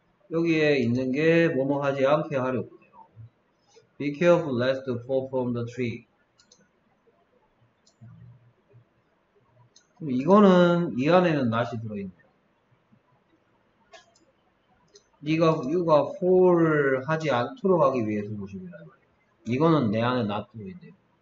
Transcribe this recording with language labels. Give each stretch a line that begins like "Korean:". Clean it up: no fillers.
Korean: 여기에 있는 게 뭐뭐 하지 않게 하려고요.
English: Be careful lest the fall from the tree.
Korean: 그럼 이거는 이 안에는 not이 들어있네요. 네가 you가 fall 하지 않도록 하기 위해서 보시면 되는 거예요. 이거는 내 안에 not 들어있네요.